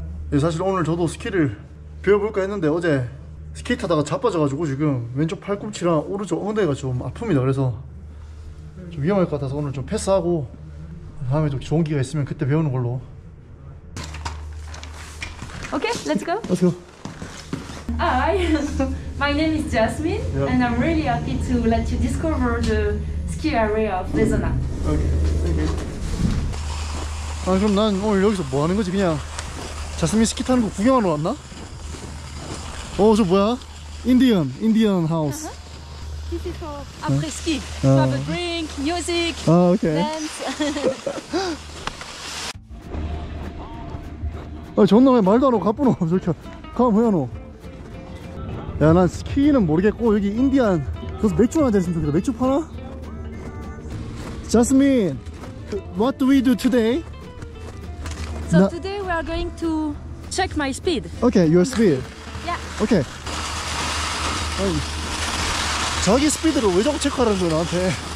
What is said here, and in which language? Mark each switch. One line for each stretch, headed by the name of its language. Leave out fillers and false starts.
Korean: 네, 사실 오늘 저도 스키를 배워볼까 했는데 어제 스키 타다가 자빠져가지고 지금 왼쪽 팔꿈치랑 오른쪽 엉덩이가 좀 아픕니다. 그래서 좀 위험할 것 같아서 오늘 좀 패스하고 다음에 또 좋은 기회가 있으면 그때 배우는 걸로.
English: 오케이, let's go. Let's go. Hi, my name is Jasmine, yeah. And I'm really happy to let you discover the ski area of Bezona. Okay, thank you.
Korean: 아, 그럼 난 오늘 여기서 뭐 하는 거지? 그냥 자스민 스키 타는 거 구경하러 왔나? 어, 저 뭐야?
English: Indian house. This is for après ski. Have a drink, music, dance. Okay.
Korean: 아, 존나 왜 말도 안 하고 가뿐어? 저렇게 가면 뭐야 너? 야, 난 스키는 모르겠고 여기 인디안 그래서 맥주 하나 됐으면 좋겠다. 맥주 파나?
English: Jasmine, what do we do today? So Na- today we are going to check my speed. Okay, your speed. Yeah. Okay.
Korean: 아니, 자기 스피드를 왜 저거 체크하라는 거야 나한테?